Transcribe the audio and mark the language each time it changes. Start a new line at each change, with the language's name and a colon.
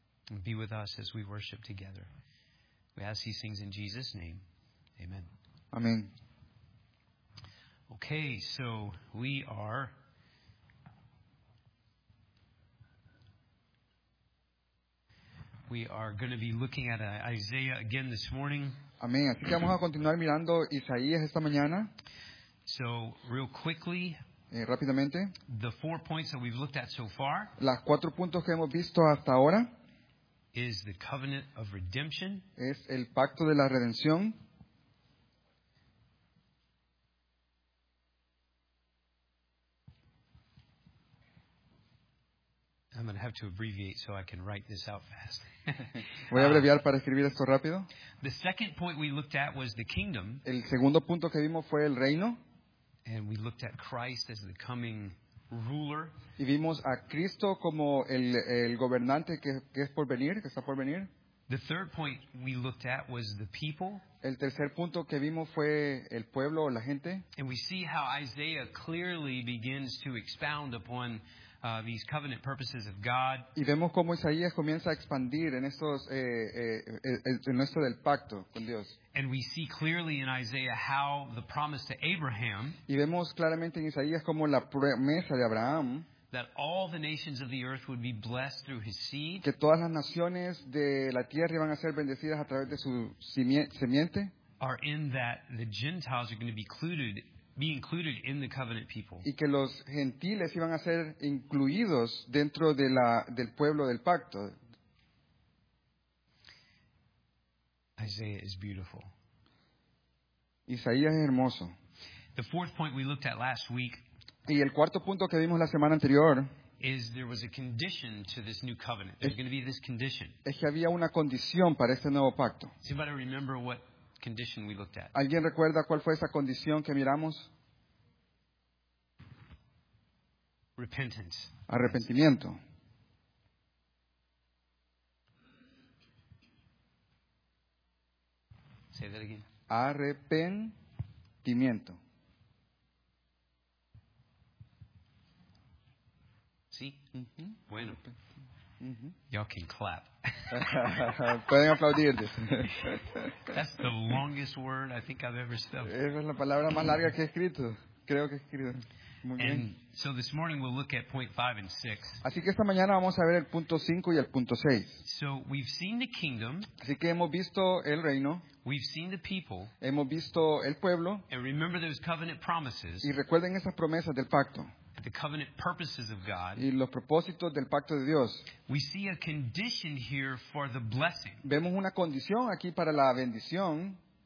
English: And be with us as we worship together. We ask these things in Jesus' name. Amen. Amen. Okay, so we are going to be looking at Isaiah again this morning.
Spanish: Amén. Así que vamos a continuar mirando Isaías esta mañana.
English: So, real quickly.
Spanish: Rápidamente.
English: The 4 points that we've looked at so far.
Spanish: Las 4 puntos que hemos visto hasta ahora.
English: Is the covenant of redemption.
Spanish: Es el pacto de la redención.
English: I'm going to have to abbreviate so I can write this out fast.
Spanish: Voy a abreviar para escribir esto rápido.
English: The second point we looked at was the kingdom.
Spanish: El segundo punto que vimos fue el reino.
English: And we looked at Christ as the coming ruler.
Spanish: Y vimos a Cristo como el gobernante que es por venir, que está por venir.
English: The third point we looked at was the people.
Spanish: El tercer punto que vimos fue el pueblo o la gente.
English: And we see how Isaiah clearly begins to expound upon these covenant purposes of God.
Spanish: Y vemos cómo Isaías comienza a expandir en estos en esto del pacto con Dios.
English: And we see clearly in Isaiah how the promise to Abraham.
Spanish: Y vemos claramente en Isaías cómo la promesa de Abraham.
English: That all the nations of the earth would be blessed through his seed.
Spanish: Que todas las naciones de la tierra iban a ser bendecidas a través de su simiente.
English: Are in that the Gentiles are going to be included. Be included in the covenant people.
Spanish: Y que los gentiles iban a ser incluidos dentro de del pueblo del pacto.
English: Isaiah is beautiful.
Spanish: Isaías es hermoso.
English: The fourth point we looked at last week.
Spanish: Y el cuarto punto que vimos la semana anterior.
English: Is there was a condition to this new covenant. There's going to be this condition.
Spanish: Es que había una condición para este nuevo pacto.
English: Does anybody remember what condition we looked at?
Spanish: ¿Alguien recuerda cuál fue esa condición que miramos?
English: Repentance.
Spanish: Arrepentimiento.
English: Say that again.
Spanish: Arrepentimiento. Sí.
English: Mm-hmm.
Spanish: Bueno.
English: Mm-hmm. Y'all can clap.
Spanish: Pueden aplaudirles.
English: That's the longest word I think I've ever spelled.
Spanish: Es la palabra más larga que he escrito. Creo que he escrito. Muy bien.
English: And so this morning we'll look at point 5 and 6.
Spanish: Así que esta mañana vamos a ver el punto 5 y el punto 6.
English: So we've seen the kingdom.
Spanish: Así que hemos visto el reino.
English: We've seen the people.
Spanish: Hemos visto el pueblo.
English: And remember those covenant promises.
Spanish: Y recuerden esas promesas del pacto.
English: The covenant purposes of God.
Spanish: Y los propósitos del pacto de Dios.
English: We see a condition here for the blessing.
Spanish: Vemos una condición aquí para la bendición.